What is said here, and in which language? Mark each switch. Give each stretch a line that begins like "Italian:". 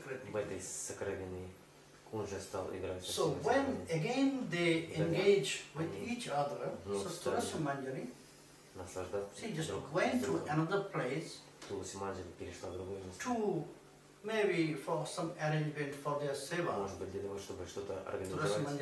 Russian: В этой сокровенной кунже стал играть.
English: So when again they engage with each other, so Tulasi Manjari, she just went to another place to maybe for some arrangement for their seva.
Russian: Может быть для того, чтобы что-то организовать.